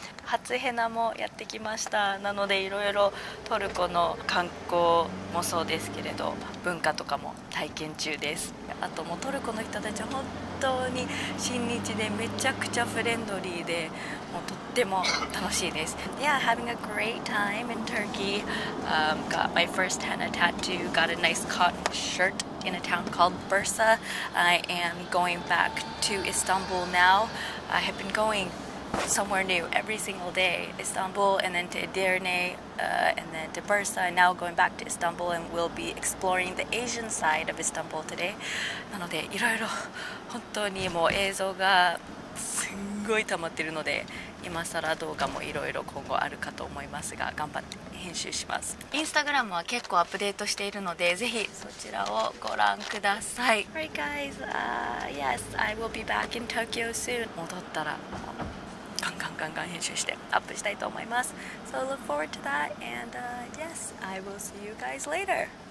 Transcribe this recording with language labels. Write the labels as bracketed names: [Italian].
[Japanese] 初ヘナもやってきました。なのでいろいろトルコの観光もそうですけれど文化とかも体験中です。あともうトルコの人たち本当に親日でめちゃくちゃフレンドリーで、もうとっても楽しいです。 [English] Yeah, having a great time in Turkey. Got my first henna tattoo. Got a nice cotton shirtin a town called Bursa. I am going back to Istanbul now. I have been going somewhere new every single day. Istanbul and then to Edirne, and then to Bursa. I'm now going back to Istanbul and we'll be exploring the Asian side of Istanbul today. [Japanese] なのでいろいろ本当にもう映像がすんごい溜まってるので、今更動画もいろいろ今後あるかと思いますが、頑張って編集します。インスタグラムは結構アップデートしているので、ぜひそちらをご覧ください。 [English] Alright guys, yes, I will be back in Tokyo soon. [Japanese] 戻ったらガンガンガンガン編集してアップしたいと思います。 [English] So look forward to that and yes, I will see you guys later.